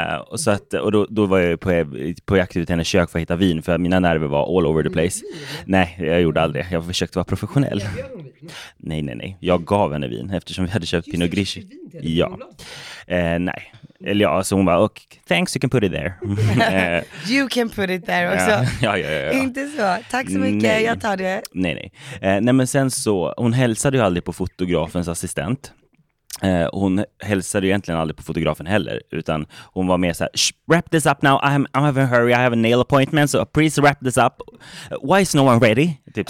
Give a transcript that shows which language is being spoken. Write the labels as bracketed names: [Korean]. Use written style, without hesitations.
[Swedish] Och, så att, och då var jag på jakt ut hennes kök för att hitta vin, för mina nerver var [English] all over the place. [Swedish] Nej, jag gjorde aldrig. Jag försökte vara professionell. Nej, nej, nej. Jag gav henne vin eftersom vi hade köpt Pinot Gris. Ja. Nej. Eller ja, så hon bara, [English] okay, thanks, you can put it there. You can put it there också. [Swedish] Ja. Inte så, tack så mycket, nej. Jag tar det. Nej, nej. Nej, men sen så, hon hälsade ju aldrig på fotografens assistent. Hon hälsade ju egentligen aldrig på fotografen heller, utan hon var mer så här, [English] wrap this up now, I'm having a hurry, I have a nail appointment, so please wrap this up, why is no one ready? Typ